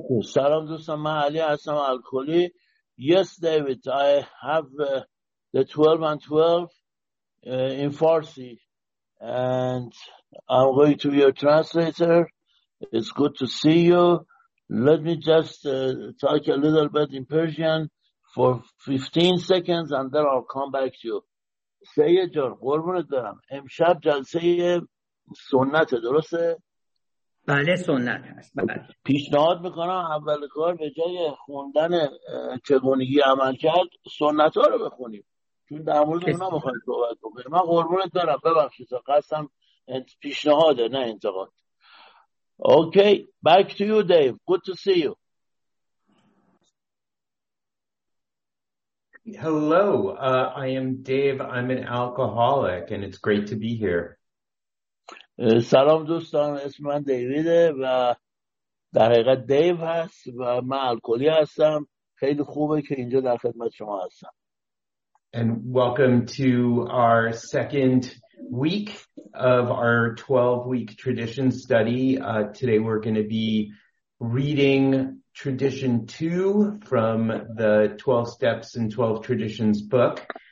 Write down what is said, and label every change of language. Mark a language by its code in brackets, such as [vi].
[fa] سلام دوستان، من علی هستم الکلی. [en] Yes David, I have the 12 and 12 in Farsi and I'm going to be your translator. It's good to see you. Let me just talk a little bit in Persian for 15 seconds and then I'll come back to you. [fa] سید جان قربونت برم، امشب جلسه سنته درسته؟ بله سنت هست. بله. پیشنهاد میکنم اول کار به جای خوندن چگونگی عمل کرد سنت ها رو بخونیم، چون در مورد اونا میخواید صحبت بکنیم. من قربونت برم، ببخشید، قصدم پیشنهاده نه انتقاد. [en] Okay, back to you Dave. Good to see you. Hello, I am Dave. I'm an alcoholic and it's great to be here. [fa] سلام دوستان، اسم من دیویده و در حقیقت دیو هست و من الکلی هستم. خیلی خوبه که اینجا در خدمت شما هستم. [en] And welcome to our second week of our 12-week tradition study. Today we're going to be reading tradition 2 from the 12 steps and 12 traditions book.